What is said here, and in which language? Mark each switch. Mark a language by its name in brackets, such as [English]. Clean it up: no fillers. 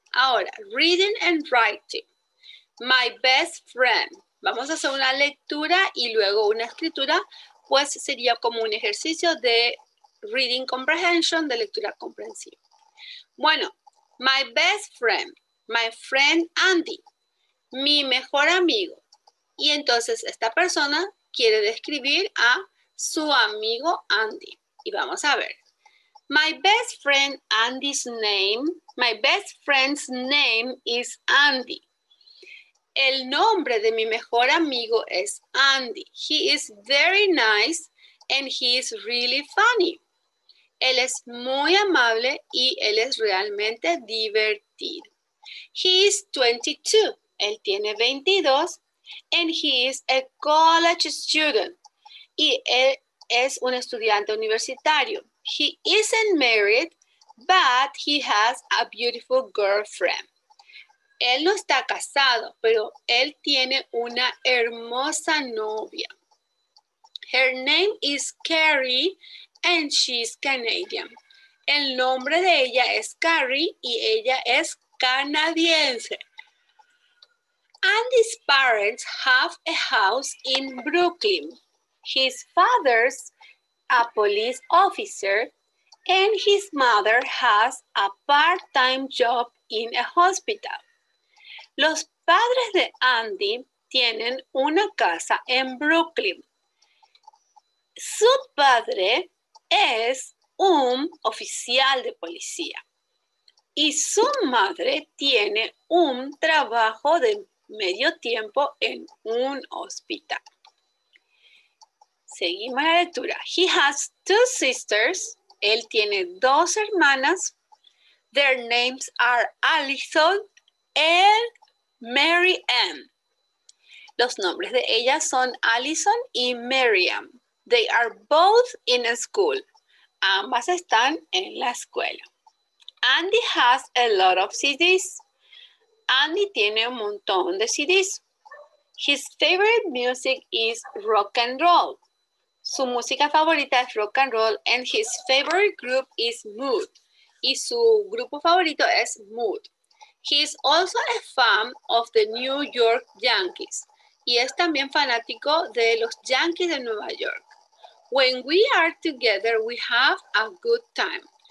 [Spanish] Ahora, [English] reading and writing. My best friend. [Spanish] Vamos a hacer una lectura y luego una escritura, pues sería como un ejercicio de [English] reading comprehension, [Spanish] de lectura comprensiva. [English] Bueno, my best friend. My friend Andy, [Spanish] mi mejor amigo. Y entonces esta persona quiere describir a su amigo Andy. Y vamos a ver. [English] My best friend Andy's name, my best friend's name is Andy. [Spanish] El nombre de mi mejor amigo es Andy. [English] He is very nice and he is really funny. [Spanish] Él es muy amable y él es realmente divertido. [English] He is 22. [Spanish] Él tiene 22. [English] And he is a college student. [Spanish] Y él es un estudiante universitario. [English] He isn't married, but he has a beautiful girlfriend. [Spanish] Él no está casado, pero él tiene una hermosa novia. [English] Her name is Carrie, and she's Canadian. [Spanish] El nombre de ella es Carrie, y ella es canadiense. [English] Andy's parents have a house in Brooklyn. His father's a police officer and his mother has a part-time job in a hospital. [Spanish] Los padres de Andy tienen una casa en Brooklyn. Su padre es un oficial de policía. Y su madre tiene un trabajo de medio tiempo en un hospital. Seguimos la lectura. [English] He has two sisters. [Spanish] Él tiene dos hermanas. [English] Their names are Allison and Mary Ann. [Spanish] Los nombres de ellas son Allison y Mary Ann. [English] They are both in a school. [Spanish] Ambas están en la escuela. [English] Andy has a lot of CDs. [Spanish] Andy tiene un montón de CDs. [English] His favorite music is rock and roll. [Spanish] Su música favorita es rock and roll, [English] and his favorite group is Mood. [Spanish] Y su grupo favorito es Mood. [English] He is also a fan of the New York Yankees. [Spanish] Y es también fanático de los Yankees de Nueva York. [English] When we are together, we have a good time.